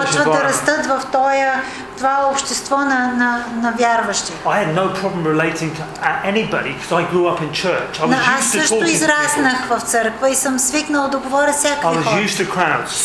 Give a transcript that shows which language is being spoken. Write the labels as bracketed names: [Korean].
[Bulgarian] Почват да растат в това общество на вярващи. [English] I had no problem relating to anybody because I grew up in church. [Bulgarian] Аз също израснах в църква и съм свикнал да говоря всякакви хора.